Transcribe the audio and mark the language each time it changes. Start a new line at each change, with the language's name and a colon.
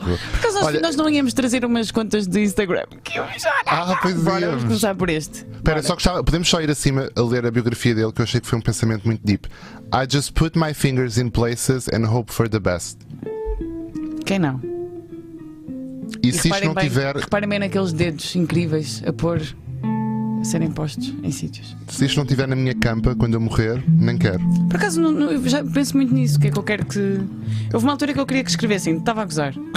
Portuguese: Por causa olha, nós não íamos trazer umas contas do Instagram. Que eu já. Ah, pois bora, vamos começar por este. Espera, só que podemos só ir acima a ler a biografia dele, que eu achei que foi um pensamento muito deep.
English: I just put my fingers in places and hope for the best.
Portuguese: Quem não? E se isto não tiver. Reparem bem naqueles dedos incríveis a pôr. A serem postos em sítios. Se isto não tiver na minha campa, quando eu morrer, nem quero. Por acaso, não, eu já penso muito nisso. O que é que eu quero que. Houve uma altura que eu queria que escrevessem, estava a gozar.